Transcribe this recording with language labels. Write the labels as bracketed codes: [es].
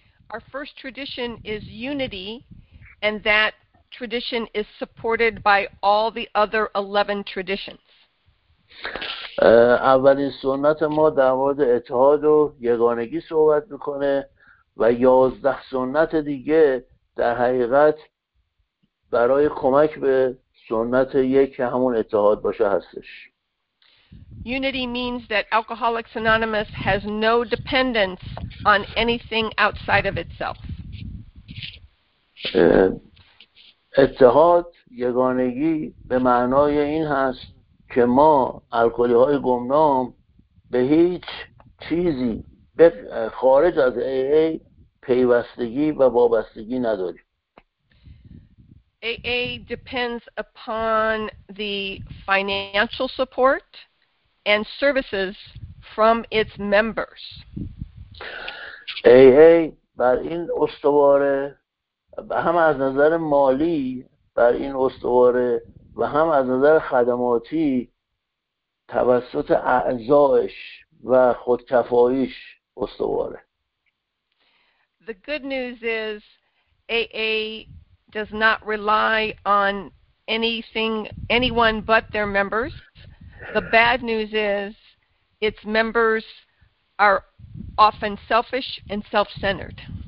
[en] Our first tradition is unity, and that tradition is supported by all the other 11 traditions. [fa] اولین سنت ما در مورد اتحاد و یگانگی صحبت میکنه و 11 سنت دیگه در حقیقت برای کمک به سنت یک همون اتحاد باشه هستش. [en] Unity means that Alcoholics Anonymous has no dependence on anything outside of itself. [fa] اتحاد یگانگی به معنای این هست که ما الکلی های گمنام به هیچ چیزی خارج از AA پیوستگی و وابستگی نداریم. [en] AA depends upon the financial support and services from its members. [fa] AA بر این استواره، هم از نظر مالی بر این استواره و هم از نظر خدماتی توسط اعضایش و خودکفاییش استواره. [en] The good news is AA does not rely on anyone but their members. The bad news is its members are often selfish and self-centered.